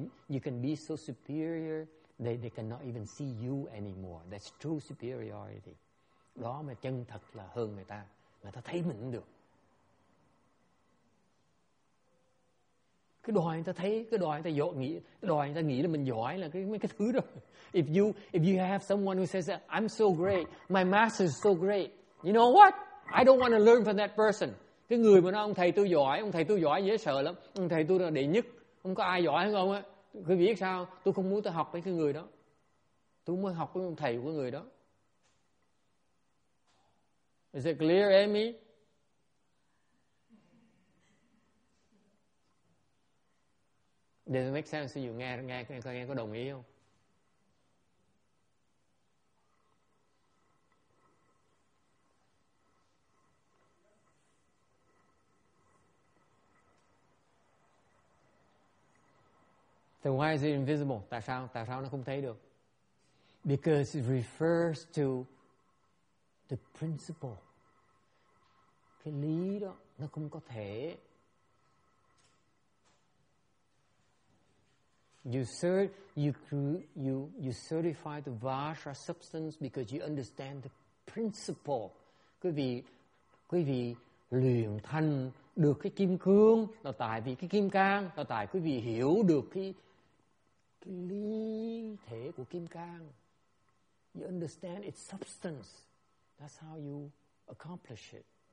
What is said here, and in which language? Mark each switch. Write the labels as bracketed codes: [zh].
[en] You can be so superior they cannot even see you anymore. That's true superiority. [vi] Đó mà chân thật là hơn người ta. Người ta thấy mình không được. Cái đòi người ta nghĩ là mình giỏi là cái thứ đó. [en] If you have someone who says I'm so great, my master is so great. You know what? I don't want to learn from that person. [vi] Cái người mà nói ông thầy tôi giỏi dễ sợ lắm, ông thầy tôi là đệ nhất, không có ai giỏi hơn ông á. Quý vị biết sao? Tôi không muốn tôi học với cái người đó. Tôi muốn học với ông thầy của người đó. [en] Is it clear, Amy? Does it make sense? [vi] Nghe có đồng ý không? [en] Then why is it invisible? [vi] Tại sao nó không thấy được? [en] Because it refers to the principle. [vi] Cái lý đó, nó không có thể. [en] You certify the Vajra substance because you understand the principle. [vi] Quý vị luyện thành được cái kim cương là tại vì cái kim cang, là tại quý vị hiểu được cái lý thể của kim cang. [en] You understand its substance. That's how you accomplish it.